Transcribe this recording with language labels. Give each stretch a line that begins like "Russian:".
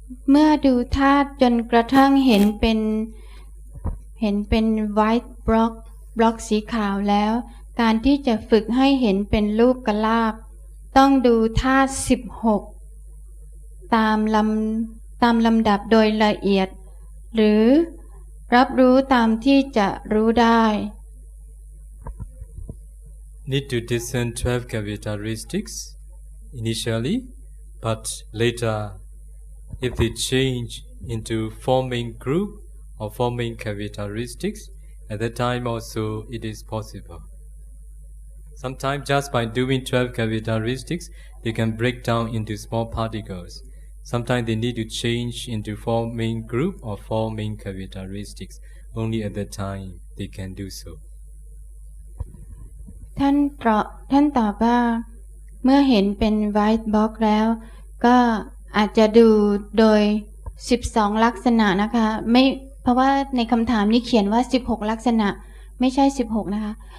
Thai: เมื่อดูธาตุจนกระทั่งเห็นเป็น white block block สีขาวแล้วการที่จะฝึกให้เห็นเป็นรูปกลาบต้องดูธาตุ16ตามลำดับโดยละเอียดหรือรับรู้ตามที่จะรู้ได้
English: Need to discern 12 characteristics initially but laterIf they change into forming group or forming characteristics, at that time also it is possible. Sometimes just by doing 12 characteristics, they can break down into small particles. Sometimes they need to change into forming group or forming characteristics. Only at that time they can do so.
Thai: ท่านตอบว่าเมื่อเห็นเป็น white box แล้วก็อาจจะดูโดย12ลักษณะนะคะไม่เพราะว่าในคำถามนี้เขียนว่า16ลักษณะไม่ใช่16นะคะ